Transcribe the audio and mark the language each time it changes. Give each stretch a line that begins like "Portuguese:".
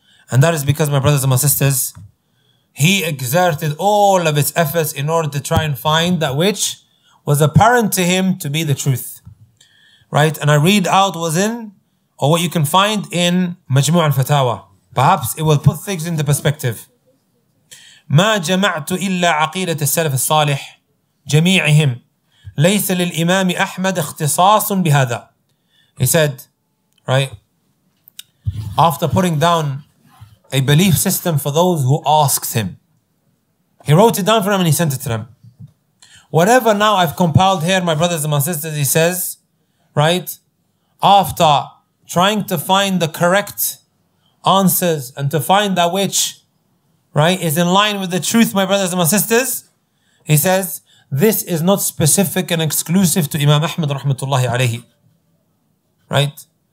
English: And that is because, my brothers and my sisters, he exerted all of his efforts in order to try and find that which was apparent to him to be the truth. Right? And I read out what's in, or what you can find in Majmu' al-Fatawa. Perhaps it will put things into perspective.
Arabic: ما جمعت إلا عقيدة السلف الصالح جميعهم ليس للإمام أحمد اختصاص بهذا.
English: He said, right, after putting down a belief system for those who asked him, he wrote it down for them and he sent it to them. Whatever now I've compiled here, my brothers and my sisters, he says, right, after trying to find the correct answers and to find that which, right, is in line with the truth, my brothers and my sisters, he says, this is not specific and exclusive to Imam Ahmad rahmatullahi alayhi. Right?